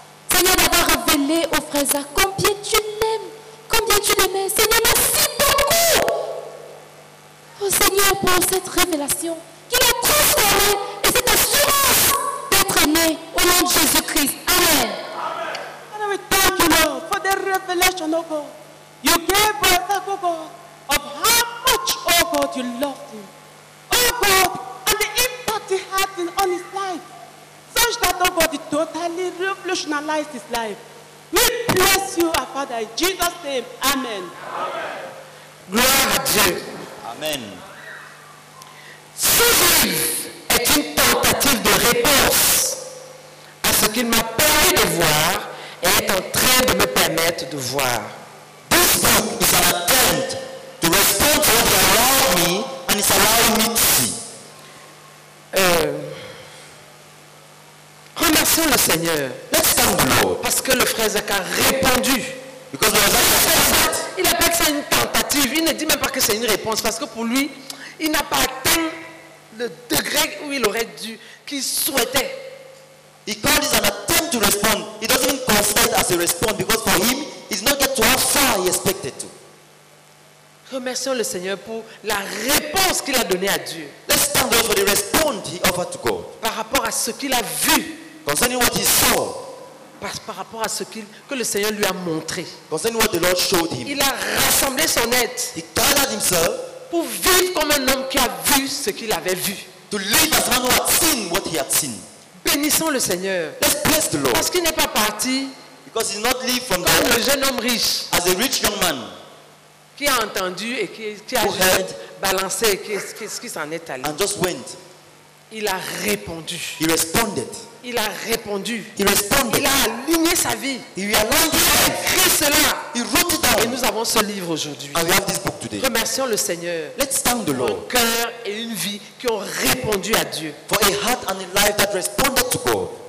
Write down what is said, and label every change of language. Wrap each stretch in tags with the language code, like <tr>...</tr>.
<fr>Seigneur, d'avoir révélé au frère Zach combien tu l'aimes. Combien tu l'aimais. Seigneur, merci beaucoup. Oh Seigneur, pour cette révélation qui l'a transformé et cette assurance d'être né au nom de Jésus-Christ. Amen.</fr> <en>Father, we thank you, Lord, for the revelation, oh God. You gave us, oh God, of how much, oh God, you loved him. Oh God, and the impact he had on his life. Such that, oh God, it totally revolutionized his life. We bless you, our Father, in Jesus' name. Amen. Amen.</en> <fr>Gloire à Dieu. Amen. Ce livre est une tentative de réponse à ce qu'il m'a permis de voir et est en train de me permettre de voir.</fr> <en>This book is an attempt to respond to what you allowed me and it's allowing me to see.</en> <fr>Remercions le Seigneur.</fr> <en>Let's thank the Lord.</en> <fr>Parce que le frère Zach a répondu.</fr> <en>Because the Zach has said.</en> <fr>Il n'a pas que c'est une tentative. Il ne dit même pas que c'est une réponse. Parce que pour lui, il n'a pas atteint le degré où il aurait dû, qu'il souhaitait.</fr> <en>He called it an attempt to respond. He doesn't even consider it as a response because for him, he's not get to how far he expected to.</en> <fr>Remercions le Seigneur pour la réponse qu'il a donnée à Dieu.</fr> <en>Let's thank the Lord for the response he offered to God.</en> <fr>Par rapport à ce qu'il a vu.</fr> <en>Concerning what he saw.</en> <fr>Par rapport à ce que le Seigneur lui a montré.</fr> <en>Concerning what the Lord showed him.</en> <fr>Il a rassemblé son être.</fr> <en>He gathered himself.</en> <fr>Pour vivre comme un homme qui a vu ce qu'il avait vu.</fr> <en>To live as one who had seen what he had seen.</en> <fr>Bénissons le Seigneur.</fr> <en>Let's bless the Lord.</en> <fr>Parce qu'il n'est pas parti.</fr> <en>Because he's not lived from</en> <fr>comme</fr> <en>the</en> <fr>le jeune homme riche.</fr> <en>As a rich young man.</en> <fr>Qui a entendu et qui a juste balancé et qui s'en est allé.</fr> <en>And just went.</en> <fr>Il a répondu.</fr> <en>He responded.</en> <fr>Il a répondu.</fr> <en>He responded.</en> <fr>Il a aligné sa vie.</fr> <en>He realigned it.</en> <fr>Il a écrit cela.</fr> <en>He wrote it down.</en> <fr>Et nous avons ce livre aujourd'hui.</fr> <en>And we have this book today.</en> <fr>Remercions le Seigneur.</fr> <en>Let's thank the Lord.</en> <fr>Un cœur et une vie qui ont répondu à Dieu.</fr> <en>For a heart and a life that responded to God.</en>